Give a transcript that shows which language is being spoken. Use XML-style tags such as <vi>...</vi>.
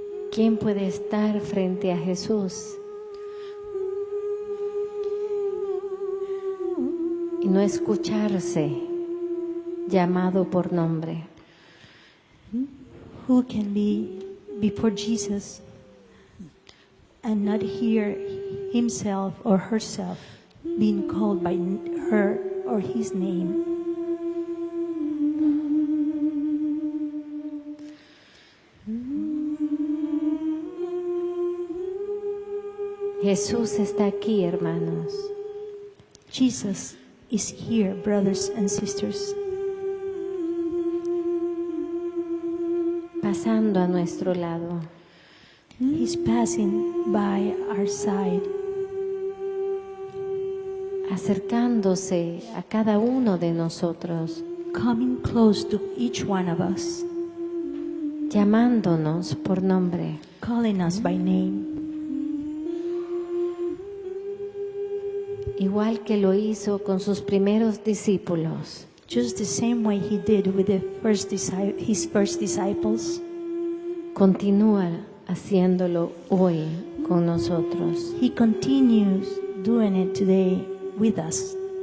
<es>¿Quién puede estar frente a Jesús y no escucharse llamado por nombre?</es> <en>Who can be before Jesus and not hear himself or herself being called by her or his name?</en> <es>Jesús está aquí, hermanos.</es> <en>Jesus is here, brothers and sisters.</en> <es>Pasando a nuestro lado.</es> <en>He's passing by our side.</en> <es>Acercándose a cada uno de nosotros.</es> <en>Coming close to each one of us.</en> <es>Llamándonos por nombre.</es> <en>Calling us by name.</en> <es>Igual que lo hizo con sus primeros discípulos.</es> <en>Just the same way he did with his first disciples.</en> <es>Continúa haciéndolo hoy con nosotros.</es> <en>He continues doing it today with us.</en>